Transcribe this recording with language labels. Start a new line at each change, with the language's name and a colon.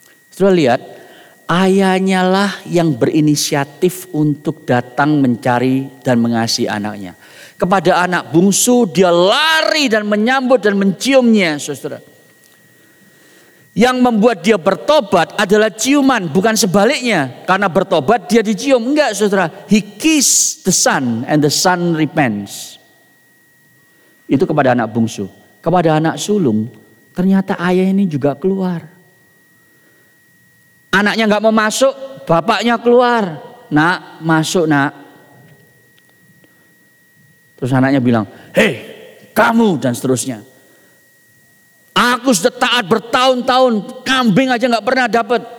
Indonesian: Saudara lihat, ayahnya lah yang berinisiatif untuk datang mencari dan mengasihi anaknya. Kepada anak bungsu dia lari dan menyambut dan menciumnya, saudara. Yang membuat dia bertobat adalah ciuman, bukan sebaliknya. Karena bertobat dia dicium, enggak, saudara.
English: He kissed the son and the son repents.
Indonesian: Itu kepada anak bungsu. Kepada anak sulung, ternyata ayah ini juga keluar. Anaknya enggak mau masuk, bapaknya keluar. Nak, masuk, nak. Terus anaknya bilang, hei kamu, dan seterusnya. Aku sudah taat bertahun-tahun, kambing aja gak pernah dapat.